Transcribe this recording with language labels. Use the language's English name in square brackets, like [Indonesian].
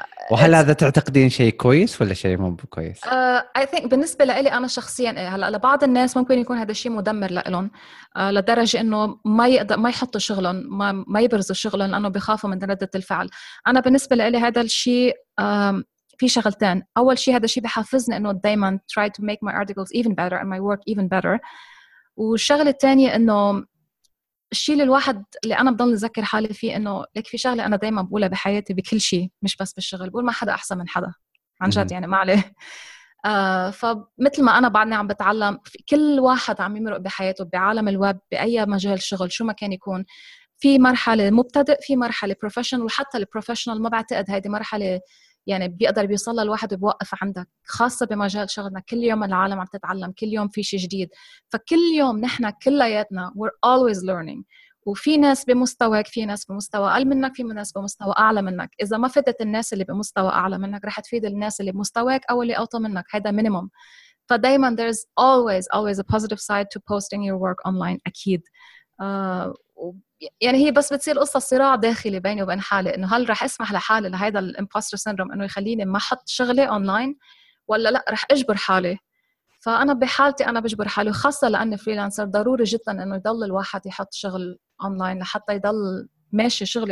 [Arabic] وهل هذا تعتقدين شيء كويس ولا شيء مو كويس؟ [English] I think [Arabic] بالنسبه لي انا شخصيا ايه. هلا لبعض الناس ممكن يكون هذا الشيء مدمر لهم لدرجه انه ما يحطوا شغلهم ما يبرزوا شغلهم لانه بخافوا من رده الفعل. انا بالنسبه لي هذا الشيء في شغلتين. اول شيء هذا الشيء بحفزني انه دائما [English] try to make my articles even better and my work even better. [Arabic] والشغله الثانيه انه الشيء اللي الواحد اللي أنا بضل أذكر حالي فيه إنه لك في شغلة أنا دايما بقولها بحياتي بكل شيء مش بس بالشغل بقول ما حدا أحسن من حدا عن جد يعني ما عليه. فمثل ما أنا بعدني عم بتعلم كل واحد عم يمرق بحياته بعالم الويب بأي مجال شغل شو ما كان يكون في مرحلة مبتدئ في مرحلة بروفيشنال وحتى البروفيشنال ما بعتقد هيدي مرحلة يعني بيقدر بيوصل الواحد بيوقف عندك خاصة بمجال شغلنا. كل يوم العالم عم تتعلم كل يوم في شيء جديد فكل يوم نحن كلياتنا [English] we're always learning. [Arabic] وفي ناس بمستواك في ناس بمستوى أقل منك في ناس بمستوى أعلى منك. إذا ما فدت الناس اللي بمستوى أعلى منك رح تفيد الناس اللي بمستواك أو اللي أوطى منك هذا مينيموم. فدايما [English] there's always a positive side to posting your work online [Arabic] أكيد. يعني هي بس بتصير قصة صراع داخلي بيني وبين حالي انه هل رح اسمح لحالي لهذا الامبوستر سيندروم انه يخليني ما حط شغلي اونلاين ولا لا رح اجبر حالي. فانا بحالتي انا بجبر حالي خاصة لاني فريلانسر ضروري جدا انه يضل الواحد يحط شغل اونلاين لحتى يضل ماشي شغله.